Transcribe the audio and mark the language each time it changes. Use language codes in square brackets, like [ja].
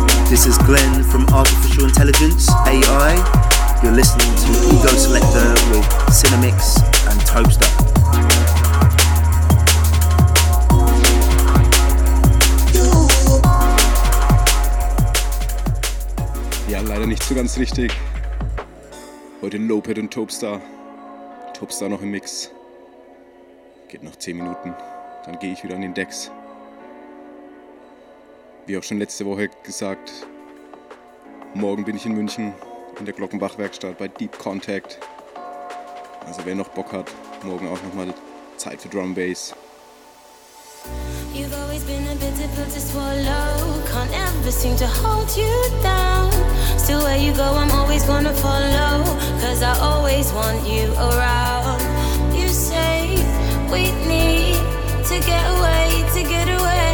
[en] This is Glenn from Artificial Intelligence, AI. You're listening to Ego Selector with Cinemix and Topestar. [de] Ja, leider nicht so ganz richtig. Heute Loped und Topestar. Topestar noch im Mix. Geht noch 10 Minuten, dann gehe ich wieder an den Decks. Wie auch schon letzte Woche gesagt, morgen bin ich in München in der Glockenbach-Werkstatt bei Deep Contact. Also wer noch Bock hat, morgen auch nochmal Zeit für Drum Bass. [en] You've always been a bit difficult to swallow. Can't ever seem to hold you down. Still where you go, I'm always gonna follow. Cause I always want you around. You say we need to get away, to get away.